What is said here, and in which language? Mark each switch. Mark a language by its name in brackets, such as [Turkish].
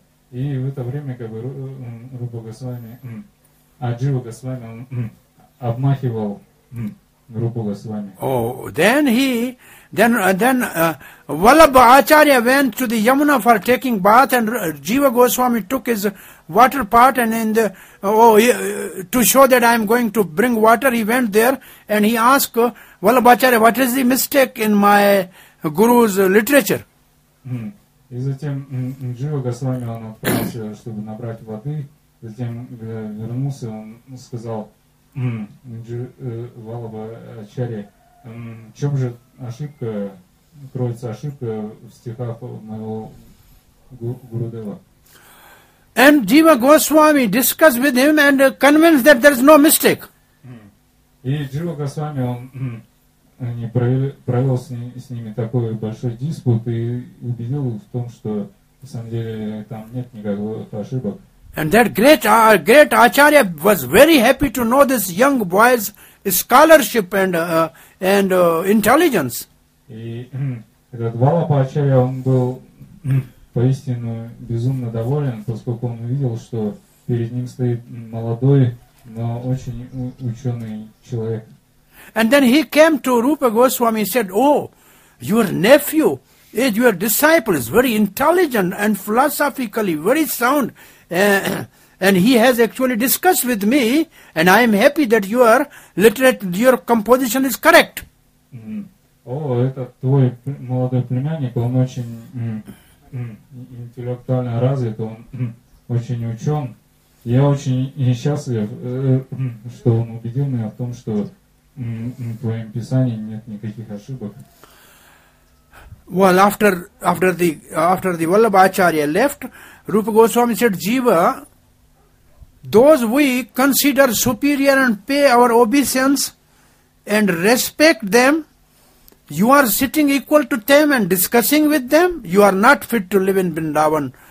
[Russian] И в это время, как бы, Рупа Госвами, а Jiva Goswami, он обмахивал Рупа Госвами. [English] Oh, then Vallabha Acharya went to the Yamuna for taking bath, and Jiva Goswami took his water pot and to show that I am going to bring water, he went there and he asked Vallabha Acharya, what is the mistake in my guru's literature? [Russian] И затем Jiva Goswami он отправился, чтобы набрать воды, затем вернулся, он сказал Vallabha Acharya, в чем же ошибка, кроется ошибка в стихах моего Гурудева? [English] And Jiva Goswami discussed with him and convinced that there is no mistake. [Russian] И Jiva Goswami, он не провел с ними такой большой диспут и убедил в том, что на самом деле там нет никаких ошибок. [English] And that great Acharya was very happy to know this young boy's scholarship and intelligence. [Russian] И этот Vallabha Acharya, он был поистину безумно доволен, поскольку он увидел, что перед ним стоит молодой, но очень ученый человек. [English] And then he came to Rupa Goswami and said, oh, your nephew is your disciple, is very intelligent and philosophically very sound. And he has actually discussed with me, and I am happy that your literature, your composition is correct. [Russian] О, это твой молодой племянник, он очень интеллектуально развит, он очень учен, Я очень счастлив, что он убедил меня в том, что в твоем писании нет никаких ошибок. [English] Well, after the Vallabha Acharya left, Rupa Goswami said, Jiva, those we consider superior and pay our obeisance and respect them, you are sitting equal to them and discussing with them, you are not fit to live in Vrindavan.